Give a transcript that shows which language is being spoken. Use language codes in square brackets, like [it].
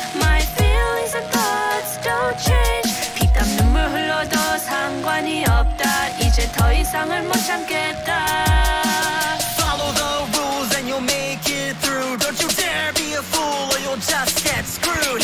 [en] My feelings and thoughts don't change. [ko] 피땀 눈물 흘러도 상관이 없다. 이제 더 이상을 못 참겠다. [en] Follow the rules and you'll make it through. Don't you dare be a fool or you'll just get screwed.